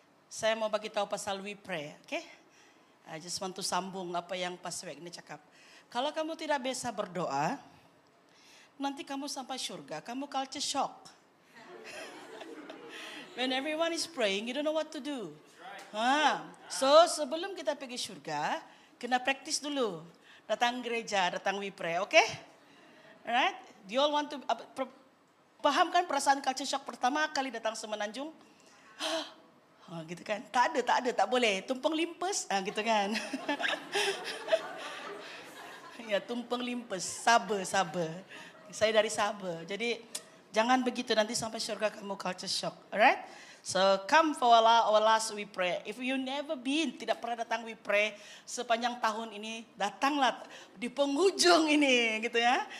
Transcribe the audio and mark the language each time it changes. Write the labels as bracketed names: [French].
[Malay] Saya mau bagi tahu pasal We Pray, okay? [English] I just want to [Malay] sambung apa yang Pastor Wagner cakap. Kalau kamu tidak biasa berdoa, nanti kamu sampai surga, kamu culture shock. [English] When everyone is praying, you don't know what to do. [Malay] So sebelum kita pergi surga, kena praktis dulu. Datang gereja, datang We Pray, okay? Alright? [English] Do you all want to [Malay] paham kan perasaan culture shock pertama kali datang Semenanjung? gitu kan? Tak ada, tak boleh. Tumpeng limpes, gitu kan? ya, tumpeng limpes, Sabah. Saya dari Sabah. Jadi jangan begitu nanti sampai surga kamu culture shock. Alright? [English] So come for our last We Pray. If you never been, [Malay] tidak pernah datang We Pray sepanjang tahun ini, datanglah di penghujung ini, gitu ya.